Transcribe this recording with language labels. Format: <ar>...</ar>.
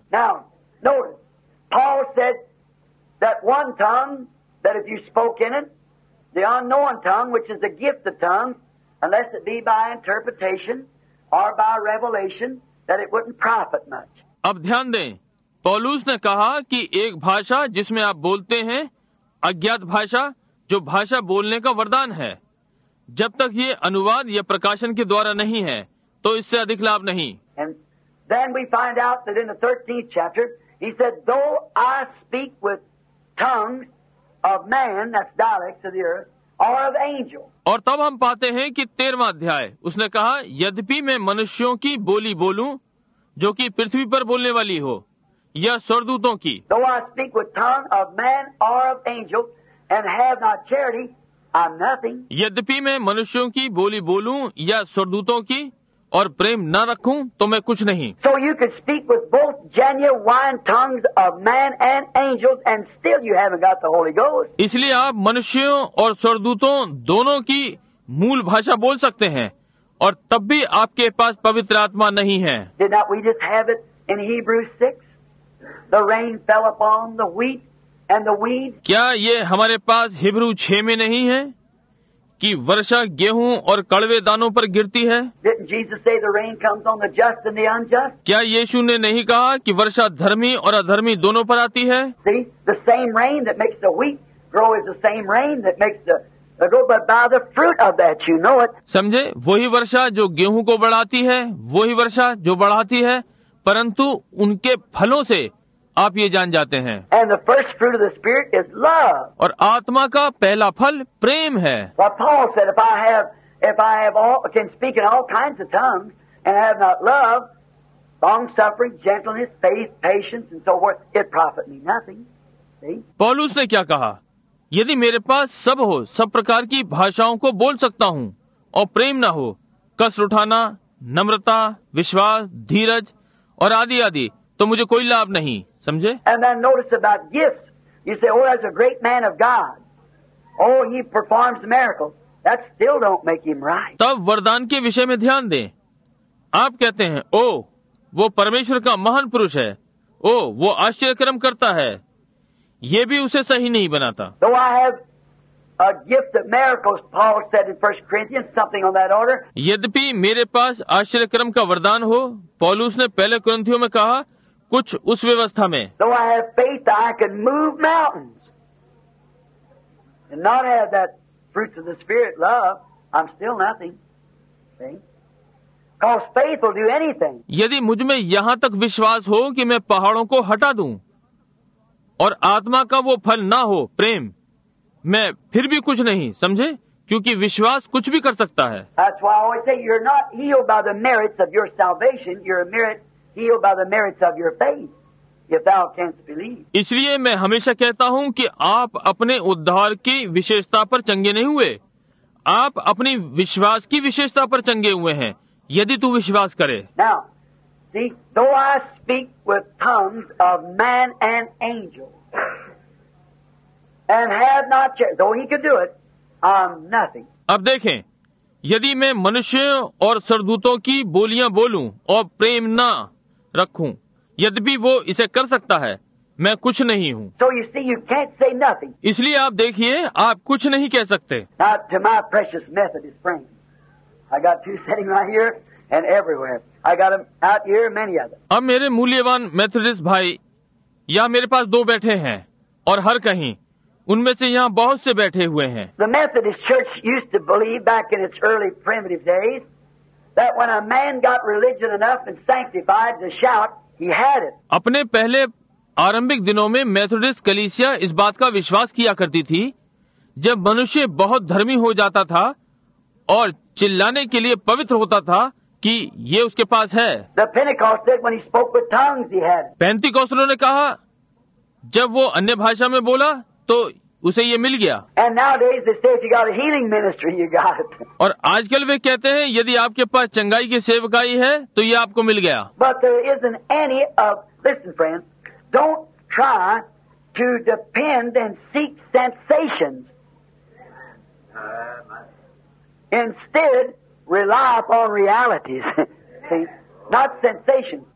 <en>Now, notice, Paul said that one tongue, that if you spoke in it, the unknown tongue, which is the gift of tongues, unless it be by interpretation or by revelation, that it wouldn't profit much.</en> <hi>अब ध्यान दें, पौलुस ने कहा कि एक भाषा जिसमें आप बोलते हैं, अज्ञात भाषा, जो भाषा बोलने का वरदान है, जब तक ये अनुवाद या प्रकाशन के द्वारा नहीं है तो इससे अधिक लाभ नहीं।</hi> <en>And then we find out that in the 13th chapter, he said, though I speak with tongues of man, that's dialects of the earth, or of angel.</en> <hi>और तब हम पाते हैं कि 13वां अध्याय, उसने कहा, यद्यपि मैं मनुष्यों की बोली बोलूं, जो कि पृथ्वी पर बोलने वाली हो, या स्वर्गदूतों की।</hi> <en>Though I speak with tongue of man or of angel, and have not charity, I'm nothing.</en> <hi>यद्यपि मैं मनुष्यों की बोली बोलूं या स्वर्गदूतों की और प्रेम न रखूं तो मैं कुछ नहीं.</hi> <en>So you can speak with both genuine tongues of man and angels and still you haven't got the Holy Ghost.</en> <hi>इसलिए आप मनुष्यों और स्वर्गदूतों दोनों की मूल भाषा बोल सकते हैं और तब भी आपके पास पवित्र आत्मा नहीं है.</hi> <en>Did not we just have it in Hebrews 6? The rain fell upon the wheat and the weed.</en> <hi>क्या ये हमारे पास हिब्रू 6 में नहीं है कि वर्षा गेहूं और कड़वे दानों पर गिरती है?</hi> <en>Didn't Jesus say the rain comes on the just and the unjust?</en> <hi>क्या यीशु ने नहीं कहा कि वर्षा धर्मी और अधर्मी दोनों पर आती है?</hi> <en>See, the same rain that makes the wheat grow is the same rain that makes the</en> <hi>समझे. वही वर्षा जो गेहूं को बढ़ाती है वही वर्षा जो बढ़ाती है परंतु उनके फलों से आप ये जान जाते हैं.</hi> <en>And the first fruit of the spirit is love.</en> <hi>और आत्मा का पहला फल प्रेम है.</hi> <en>But Paul said, if I can speak in all kinds of tongues and have not love, long suffering, gentleness, faith, patience and so forth, it profit me nothing. See?</en> <hi>पौलुस ने क्या कहा? यदि मेरे पास सब हो, सब प्रकार की भाषाओं को बोल सकता हूँ और प्रेम न हो, कष्ट उठाना, नम्रता, विश्वास, धीरज और आदि आदि, तो मुझे कोई लाभ नहीं. समझे.</hi> <en>And then notice about gifts. You say, oh, that's a great man of God. Oh, he performs miracles. That still don't make him right.</en> <hi>तब वरदान के विषय में ध्यान दें. आप कहते हैं, ओ, वो परमेश्वर का महान पुरुष है, ओ, वो आश्चर्यकर्म करता है, ये भी उसे सही नहीं बनाता.</hi> <en>Though I have a gift of miracles, Paul said in 1 Corinthians, something on that order.</en> <hi>यद्यपि मेरे पास आश्चर्यकर्म का वरदान हो, पौलुस ने पहले कुरिन्थियों में कहा कुछ उस व्यवस्था में.</hi> <en>Though I have faith that I can move mountains and not have that fruits of the Spirit love, I'm still nothing. See? Because faith will do anything.</en> <hi>यदि मुझ में यहाँ तक विश्वास हो कि मैं पहाड़ों को हटा दूं और आत्मा का वो फल ना हो प्रेम, मैं फिर भी कुछ नहीं. समझे. क्योंकि विश्वास कुछ भी कर सकता है.</hi> <en>That's why I always say you're not healed by the merits of your salvation, you're a merit healed by the merits of your faith, if thou canst believe.</en> <hi>इसलिए मैं हमेशा कहता हूँ कि आप अपने उद्धार की विशेषता पर चंगे नहीं हुए, आप अपनी विश्वास की विशेषता पर चंगे हुए हैं यदि तू विश्वास करे.</hi> <en>Now, see, though I speak with tongues of man and angel, and have not charity, though he could do it, I'm nothing.</en> <hi>अब देखें, यदि मैं मनुष्यों और स्वर्गदूतों की बोलियां बोलूं और प्रेम ना रखूं, यद्यपि वो इसे कर सकता है, मैं कुछ नहीं हूं.</hi> <en>So you see, you can't say nothing.</en> <hi>इसलिए आप देखिए, आप कुछ नहीं कह सकते.</hi> <en>Not to my precious Methodist friends. I got two sitting right here and everywhere. I got them out here, many of them.</en> <hi>अब मेरे मूल्यवान मेथोडिस्ट भाई यहाँ मेरे पास दो बैठे हैं और हर कहीं उनमें से यहाँ बहुत से बैठे हुए हैं.</hi> <en>The Methodist Church used to believe back in its early primitive days that when a man got religion enough and sanctified to shout, he had it.</en> <hi>अपने पहले आरंभिक दिनों में मेथोडिस्ट कलीसिया इस बात का विश्वास किया करती थी, जब मनुष्य बहुत धर्मी हो जाता था और चिल्लाने के लिए पवित्र होता था कि ये उसके पास है. पेंटिकॉस्टलों ने कहा जब वो अन्य भाषा में बोला तो उसे ये मिल गया.</hi> <en>And nowadays they say if you got a healing ministry, you got it.</en> <hi>और आजकल वे कहते हैं यदि आपके पास चंगाई की सेवकाई है तो ये आपको मिल गया.</hi> <en>But there isn't any of, listen friends, don't try to depend and seek sensations. Instead, rely upon realities, not sensations.</en>